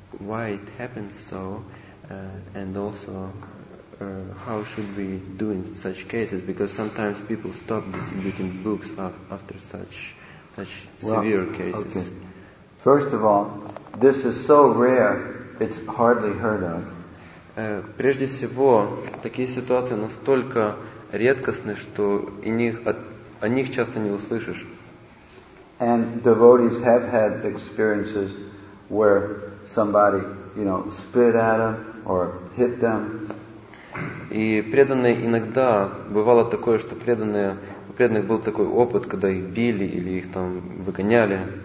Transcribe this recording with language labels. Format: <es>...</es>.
<en>Why it happened so, and also how should we do in such cases? Because sometimes people stop distributing books after such severe cases. Okay. First of all, this is so rare, it's hardly heard of.</en> <ru>Прежде всего, такие ситуации настолько редкостны, что о них часто не услышишь.</ru> <en>And devotees have had experiences where somebody, you know, spit at them or hit them.</en> <ru>И преданные иногда бывало такое, что преданные у преданных был такой опыт, когда их били или их там выгоняли.</ru>